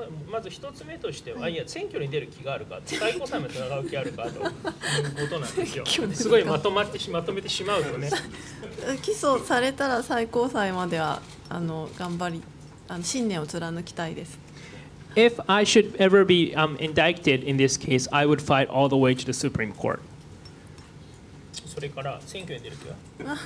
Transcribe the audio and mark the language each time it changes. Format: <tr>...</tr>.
<ja>まず一つ目としては、はい、いや選挙に出る気があるか、最高裁まで戦う気があるかということなんですよ。すごいまとめてしまうとね。起訴されたら最高裁までは頑張り、信念を貫きたいです。</ja> <en>If I should ever be indicted in this case, I would fight all the way to the Supreme Court.</en> <ja>それから選挙に出る気は？</ja>